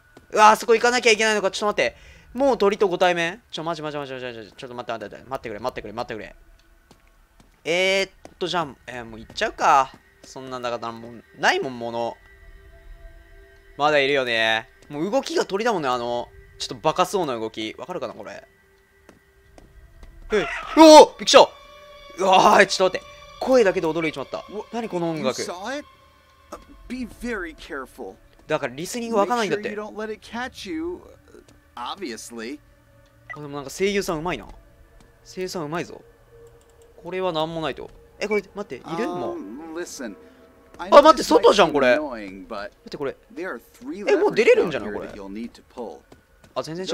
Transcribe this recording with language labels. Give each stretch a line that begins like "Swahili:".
Japanese: うわ、あそこ行かなきゃいけないのか、ちょっと待って、もう鳥とご対面、ちょ、マジマジマジマジマジ、ちょっと待って待って待って待ってくれ待ってくれ待ってくれ、じゃあ、もう行っちゃうか、そんなんだからもうないもん、ものまだいるよね。もう動きが鳥だもんね、あのちょっとバカそうな動き、わかるかなこれ。うおー、びっくりした。うわー、ちょっと待って、声だけで驚いちまった。なにこの音楽。
English: Be very careful.
Japanese: だからリスニングわかんないんだって。
English: Make sure you don't let it catch you, obviously.
Japanese: あ、でもなんか声優さんうまいな、声優さんうまいぞ。これはなんもないと。え、これ待って、いるもん。あ、待って、外じゃんこれ、待って、これ、え、もう出れるんじゃないこれ。あ、全然違った。